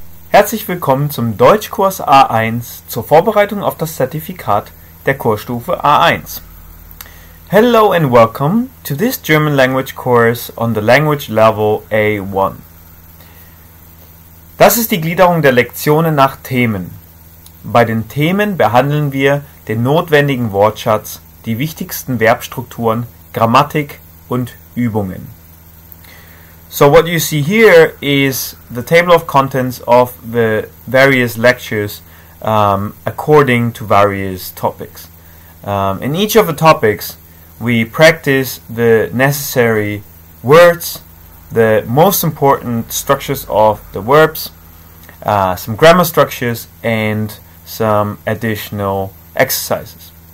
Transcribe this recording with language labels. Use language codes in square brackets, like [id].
[de] Herzlich willkommen zum Deutschkurs A1 zur Vorbereitung auf das Zertifikat der Kursstufe A1. [en] Hello and welcome to this German language course on the language level A1. [de] Das ist die Gliederung der Lektionen nach Themen. Bei den Themen behandeln wir den notwendigen Wortschatz, die wichtigsten Verbstrukturen, Grammatik und Übungen. [en] So what you see here is the table of contents of the various lectures according to various topics. In each of the topics, we practice the necessary words, the most important structures of the verbs, some grammar structures, and some additional exercises.